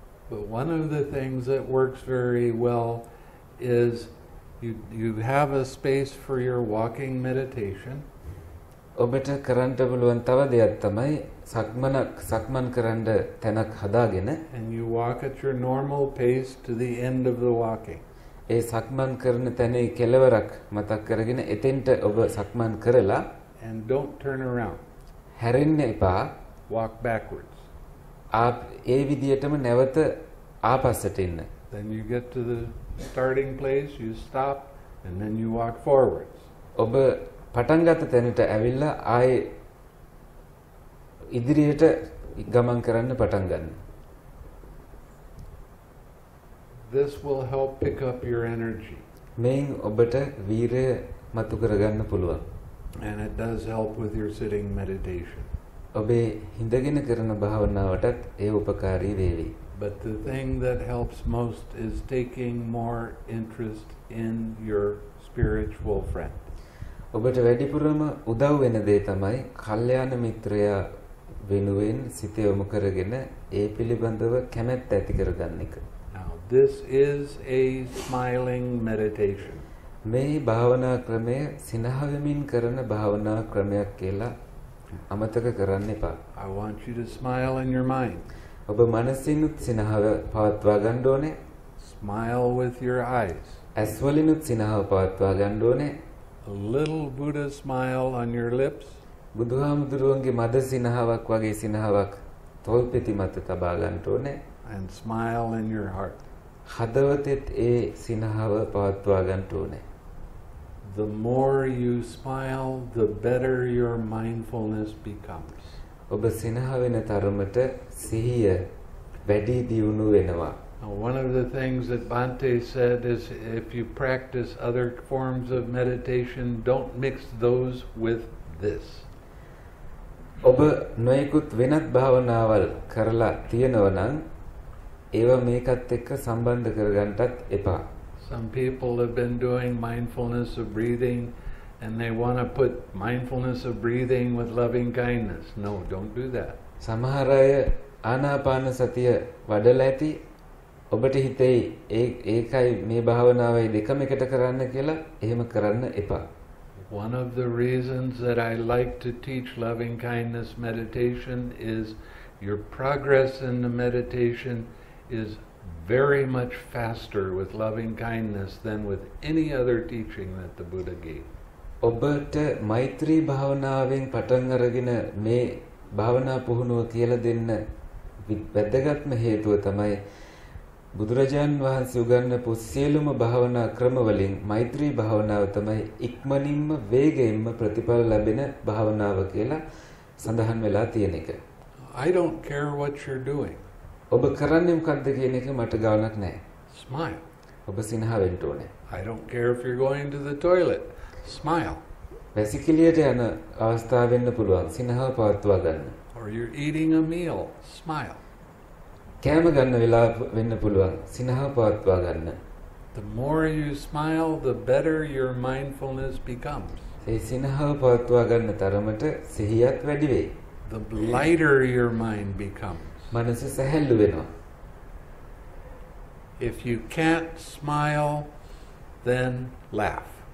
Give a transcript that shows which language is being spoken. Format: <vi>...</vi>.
<en>But one of the things that works very well is You have a space for your walking meditation.</en> <si>ඔබට කරන්න පුළුවන් තව දෙයක් තමයි සක්මන් කරන්න තැනක් හදාගෙන.</si> <en>And you walk at your normal pace to the end of the walking.</en> <si>ඒ සක්මන් කරන තැනේ කෙළවරක් මතක් කරගෙන එතෙන්ට ඔබ සක්මන් කරලා.</si> <en>And don't turn around.</en> <si>හැරෙන්න එපා.</si> <en>Walk backwards.</en> <si>ආප ඒ විදියටම නැවත ආපස්සට එන්න.</si> <en>Then you get to the starting place, you stop, and then you walk forwards.</en> <si>ඔබ පටන් ගත්ත තැනට ඇවිල්ලා ආයේ ඉදිරියට ගමන් කරන්න පටන් ගන්න.</si> <en>This will help pick up your energy.</en> <si>මේන් ඔබට වීරය මතු කරගන්න පුළුවන්.</si> <en>And it does help with your sitting meditation.</en> <si>ඔබේ හිඳගෙන කරන භාවනාවටත් ඒ උපකාරී වේවි.</si> <en>But the thing that helps most is taking more interest in your spiritual friend.</en> <si>ඔබට වැඩිපුරම උදව් වෙන දේ තමයි කල්යාණ මිත්‍රයා වෙනුවෙන් සිත යොමු කරගෙන ඒ පිළිබඳව කැමැත්ත ඇති කරගන්න එක.</si> <en>Now this is a smiling meditation.</en> <si>මේ භාවනා ක්‍රමය සිනහවමින් කරන භාවනා ක්‍රමයක් කියලා අමතක කරන්න එපා.</si> <en>I want you to smile in your mind.</en> <si>ඔබ මනසින්ුත් සිනහව පවත්වා ගන්න ඕනේ.</si> <en>Smile with your eyes.</en> <si>ඇස් වලින්ුත් සිනහව පවත්වා ගන්න ඕනේ.</si> <en>A little Buddha smile on your lips.</en> <si>බුදුහාමුදුරුවන්ගේ මද සිනහවක් වගේ සිනහවක් තොල් පෙති මත තබා ගන්න ඕනේ.</si> <en>And smile in your heart.</en> <si>හදවතෙත් ඒ සිනහව පවත්වා ගන්න ඕනේ.</si> <en>The more you smile, the better your mindfulness becomes.</en> <si>ඔබ සිනහවෙන තරමට සිහිය වැඩි දියුණු වෙනවා.</si> <en>Now one of the things that Bhante said is if you practice other forms of meditation, don't mix those with this.</en> <si>ඔබ නොයෙකුත් වෙනත් භාවනාවල් කරලා තියෙනවා නම් ඒවා මේකත් එක්ක සම්බන්ධ කරගන්නටත් එපා.</si> <en>Some people have been doing mindfulness of breathing and they want to put mindfulness of breathing with loving kindness. No, don't do that.</en> <si>සමහර අය ආනාපාන සතිය වඩලා ඇති ඔබට හිතේ ඒකයි මේ භාවනාවයි දෙකම එකට කරන්න කියලා එහෙම කරන්න එපා.</si> <en>One of the reasons that I like to teach loving kindness meditation is your progress in the meditation is very much faster with loving kindness than with any other teaching that the Buddha gave.</en> <si>ඔබට මෛත්‍රී භාවනාවෙන් පටන් අරගෙන මේ භාවනා පුහුණුව කියලා දෙන්න වැදගත්ම හේතුව තමයි බුදුරජාන් වහන්සේ උගන්වපු සියලුම භාවනා ක්‍රමවලින් මෛත්‍රී භාවනාව තමයි ඉක්මනින්ම වේගයෙන්ම ප්‍රතිඵල ලැබෙන භාවනාව කියලා සඳහන් වෙලා තියෙන එක.</si> <en>I don't care what you're doing.</en> <si>ඔබ කරන්නේ මොකද්ද කියන එක මට ගාණක් නැහැ.</si> <en>Smile.</en> <si>ඔබ සිනහවෙන්න ඕනේ.</si> <en>I don't care if you're going to the toilet. Smile.</en> <si>වැසිකිළියට යන අවස්ථාව වෙන්න පුළුවන්. සිනහව පවත්වා ගන්න.</si> <en>Or you're eating a meal. Smile.</en> <si>කෑම ගන්න වෙලාව වෙන්න පුළුවන් සිනහව පවත්වා ගන්න.</si> <en>The more you smile, the better your mindfulness becomes.</en> <si>ඒ සිනහව පවත්වා ගන්න තරමට සිහියත් වැඩි වෙයි.</si> <en>The lighter your mind becomes.</en> <si>මනස සැහැල්ලු වෙනවා.</si> <en>If you can't smile, then laugh.</en>